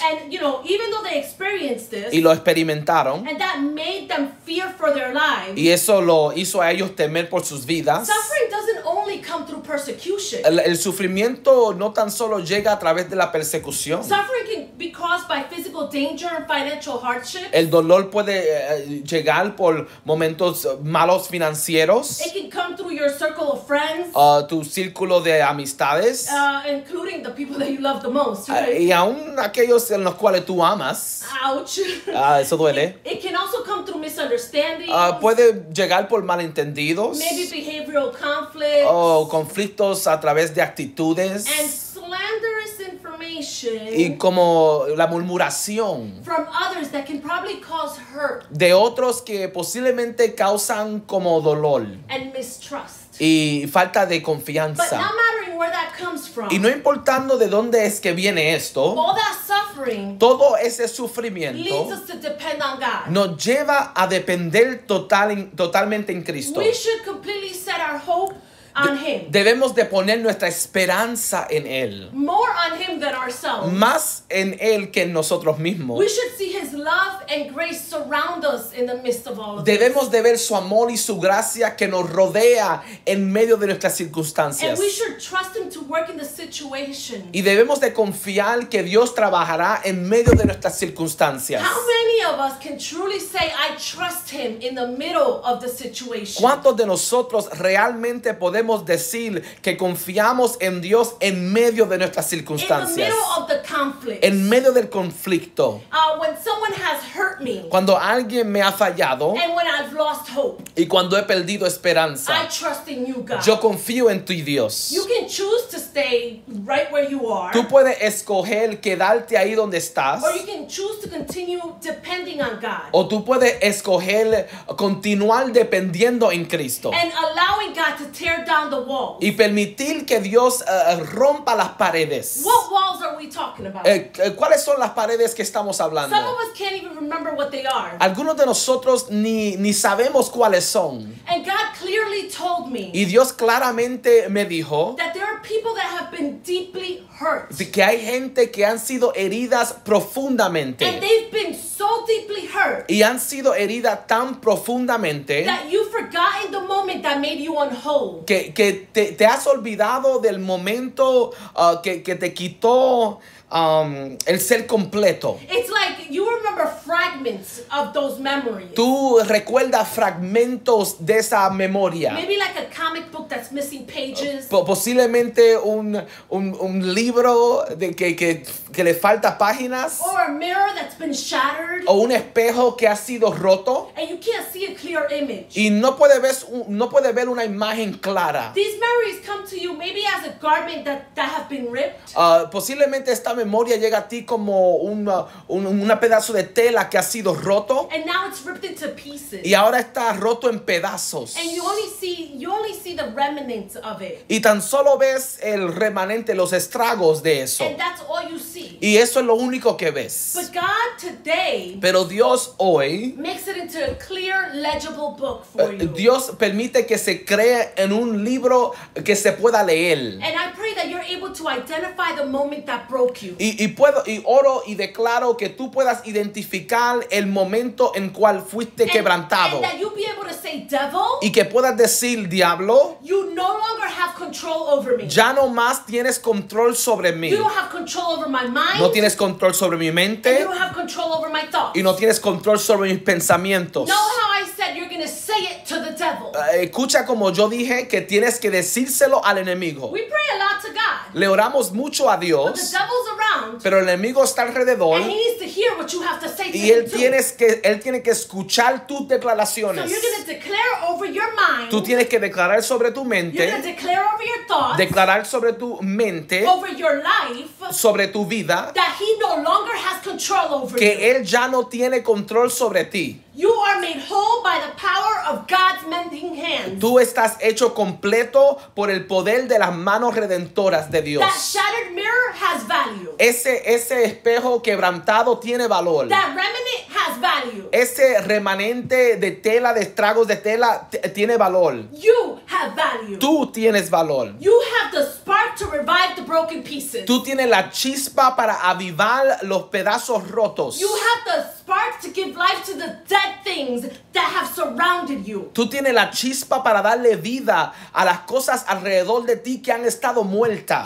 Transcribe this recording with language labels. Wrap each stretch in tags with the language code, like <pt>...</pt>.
<en>And you know, even though they experienced this,</en> <es>y lo experimentaron,</es> <en>and that made them fear for their lives.</en> <es>Y eso lo hizo a ellos temer por sus vidas.</es> <en>Suffering doesn't only come through persecution.</en> <es>El sufrimiento no tan solo llega a través de la persecución.</es> <en>Suffering can be caused by physical physical danger and financial hardships.</en> <es>El dolor puede llegar por momentos malos financieros.</es> <en>It can come through your circle of friends.</en> <es>Tu círculo de amistades.</es> <en>Including the people that you love the most, right?</en> <es>Y aún aquellos en los cuales tú amas.</es> <en>Ouch.</en> <es>Eso duele.</es> <en>It can also come through misunderstandings.</en> <es>Puede llegar por malentendidos.</es> <en>Maybe behavioral conflicts.</en> <es>O conflictos a través de actitudes.</es> <en>And slanderous information.</en> <es>Y como la murmuración.</es> <en>From others that can probably cause hurt.</en> <es>De otros que posiblemente causan como dolor.</es> <en>And mistrust.</en> <es>Y falta de confianza.</es> <en>But not mattering where that comes from.</en> <es>Y no importando de dónde es que viene esto.</es> <en>All that suffering.</en> <es>Todo ese sufrimiento.</es> <en>Leads us to depend on God.</en> <es>Nos lleva a depender totalmente en Cristo.</es> <en>We should completely set our hope.</en> <es>Debemos de poner nuestra esperanza en Él.</es> <en>More on him than ourselves.</en> <es>Más en Él que en nosotros mismos.</es> <en>We should see his love and grace surround us in the midst of all of</en> <es>debemos</es> <en>this.</en> <es>De ver su amor y su gracia que nos rodea en medio de nuestras circunstancias.</es> <en>And we should trust him to work in the situation.</en> <es>Y debemos de confiar que Dios trabajará en medio de nuestras circunstancias.</es> <en>How many of us can truly say I trust him in the middle of the situation?</en> <es>¿Cuántos de nosotros realmente podemos decir que confiamos en Dios en medio de nuestras circunstancias?</es> <en>In the middle of the conflict.</en> <es>En medio del conflicto.</es> <en>When someone has hurt me.</en> <es>Cuando alguien me ha fallado.</es> <en>And when I've lost hope.</en> <es>Y cuando he perdido esperanza.</es> <en>I trust in you, God.</en> <es>Yo confío en ti, Dios.</es> <en>You can choose to stay right where you are.</en> <es>Tú puedes escoger quedarte ahí donde estás.</es> <en>Or you can choose to continue depending on God.</en> <es>O tú puedes escoger continuar dependiendo en Cristo.</es> <en>And allowing God to tear down the walls.</en> <es>Y permitir que Dios rompa las paredes.</es> <en>What walls are we talking about?</en> <es>¿Cuáles son las paredes que estamos hablando?</es> <en>Some of us can't even remember what they are.</en> <es>Algunos de nosotros ni sabemos cuáles son.</es> <en>And God clearly told me.</en> <es>Y Dios claramente me dijo.</es> <en>That there are people that have been deeply hurt.</en> <es>Que hay gente que han sido heridas profundamente.</es> <en>And they've been so deeply hurt.</en> <es>Y han sido heridas tan profundamente.</es> <en>That you've forgotten the moment that made you unwhole.</en> <es>Que te has olvidado del momento que te quitó el ser completo.</es> <en>It's like you remember fragments of those memories.</en> <es>Tú recuerdas fragmentos de esa memoria.</es> <en>Maybe like a comic book that's missing pages.</en> <es>Posiblemente un libro de que le falta páginas.</es> <en>Or a mirror that's been shattered.</en> <es>O un espejo que ha sido roto.</es> <en>And you can't see a clear image.</en> <es>Y no puede ver una imagen clara.</es> <en>These memories come to you maybe as a garment that have been ripped.</en> <es>Posiblemente esta memoria llega a ti como una pedazo de tela que ha sido roto.</es> <en>And now it's ripped into pieces.</en> <es>Y ahora está roto en pedazos.</es> <en>And you only see the remnants of it.</en> <es>Y tan solo ves el remanente, los estragos de eso.</es> <en>And that's all you see.</en> <es>Y eso es lo único que ves.</es> <en>But God today.</en> <es>Pero Dios hoy.</es> <en>Makes it into a clear, legible book for you.</en> <es>Dios permite que se cree en un libro que se pueda leer.</es> <en>And I pray that you're able to identify the moment that broke.</en> <es>Y oro y declaro que tú puedas identificar el momento en cual fuiste quebrantado.</es> <en>And that you'll be able to say, devil,</en> <es>y que puedas decir, diablo,</es> <en>you no longer have control over me.</en> <es>Ya no más tienes control sobre mí.</es> <en>You don't have control over my mind,</en> <es>no tienes control sobre mi mente.</es> <en>And you don't have control over my thoughts.</en> <es>Y no tienes control sobre mis pensamientos.</es> <en>Know how I said you're gonna say it to the devil.</en> <es>Escucha como yo dije que tienes que decírselo al enemigo.</es> <en>We pray a lot to God.</en> <es>Le oramos mucho a Dios. Pero el enemigo está alrededor.</es> <en>And he needs to hear what you have to say to</en> <es>y él tienes que él tiene que escuchar tus declaraciones.</es> <en>So you're gonna declare over your mind.</en> <es>Tú tienes que declarar sobre tu mente.</es> <en>You're gonna declare over your thoughts.</en> <es>Declarar sobre tu mente.</es> <en>Over your life.</en> <es>Sobre tu vida.</es> <en>That he no longer has control over.</en> <es>Que</es> <en>you.</en> <es>Él ya no tiene control sobre ti.</es> <en>You are made whole by the power of God's mending hands.</en> <es>Tú estás hecho completo por el poder de las manos redentoras de Dios.</es> <en>That shattered mirror has value.</en> <es>Ese espejo quebrantado tiene valor.</es> <en>That remnant has value.</en> <es>Ese remanente de tela, de estragos de tela, tiene valor.</es> <en>You have value.</en> <es>Tú tienes valor.</es> <en>You have the spark to revive the broken pieces.</en> <es>Tú tienes la chispa para avivar los pedazos rotos.</es> <en>You have the spark. spark to give life to the dead things that have surrounded you.</en> <es>Tú tienes la chispa para darle vida a las cosas alrededor de ti que han estado muertas.</es>